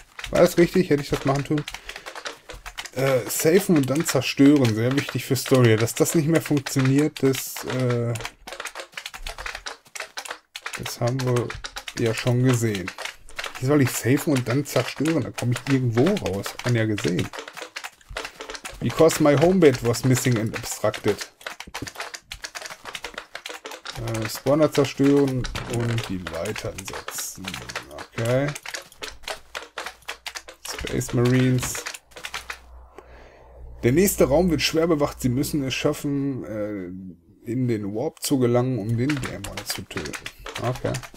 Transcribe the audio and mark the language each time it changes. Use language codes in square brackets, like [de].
[de] War das richtig? Hätte ich das machen tun? Safen und dann zerstören, sehr wichtig für Story. Dass das nicht mehr funktioniert, das haben wir ja schon gesehen. Wie soll ich safen und dann zerstören? Da komme ich irgendwo raus. Haben ja gesehen. [en] Because my homebed was missing and abstracted. [de] Spawner zerstören und die Leitern setzen. Okay. Space Marines. Der nächste Raum wird schwer bewacht. Sie müssen es schaffen, in den Warp zu gelangen, um den Dämon zu töten. Okay.